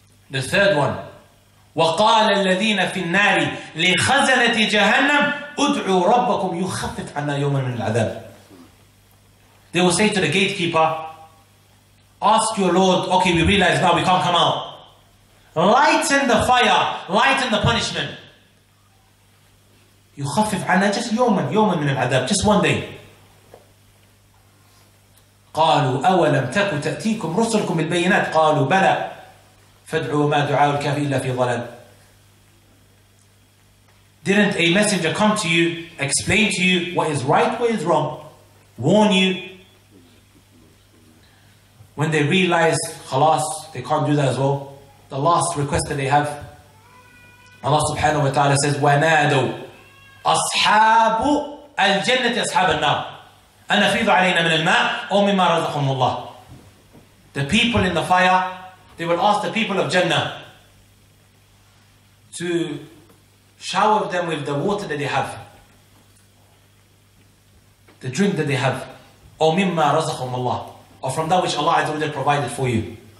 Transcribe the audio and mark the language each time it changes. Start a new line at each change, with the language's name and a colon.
English: The third one.
Arabic: وَقَالَ الَّذِينَ فِي النَّارِ لِخَزَنَةِ جَهَنَّمْ أُدْعُوا رَبَّكُمْ يُخَفِّفْ عَنَّا يَوْمًا مِنْ الْعَذَابِ.
English: They will say to the gatekeeper, ask your Lord, okay, we realize now we can't come out. Lighten the fire, lighten the punishment.
Arabic: يُخَفِّفْ عَنَّا just يَوْمًا يَوْمًا مِنْ الْعَذَابِ,
English: just one day.
Arabic: قَالُوا أَوَلَمْ تَكُ تَأْتِيكُمْ رُسُلُكُمْ بِالْبَيِّنَاتِ قَالُوا بَلَى فَادْعُوا مَا دُعَاءُ الْكَافِرِينَ إِلَّا فِي ضَلَالٍ.
English: Didn't a messenger come to you, explain to you what is right, what is wrong, warn you? When they realize, خلاص, they can't do that as well. The last request that they have, Allah subhanahu wa ta'ala says,
Arabic: وَنَادُوا أَصْحَابُ الجنة أصحاب النار. أنا فيض علينا من الماء أو مما رزقهم الله.
English: The people in the fire, they will ask the people of Jannah to shower them with the water that they have, the drink that they have, or
Arabic: mimma razaqhum Allah,
English: or from that which Allah Azza wa Jalla provided for you.